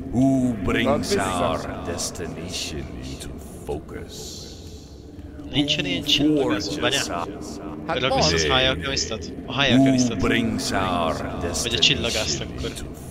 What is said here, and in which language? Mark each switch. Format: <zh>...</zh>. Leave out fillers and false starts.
<en>Who brings our destination into focus?</en> <hu>Nincsen ilyen csillagászó, várjál. Hát van. A hajjalkamisztat.</hu> <en>Who brings our destination into focus?</en>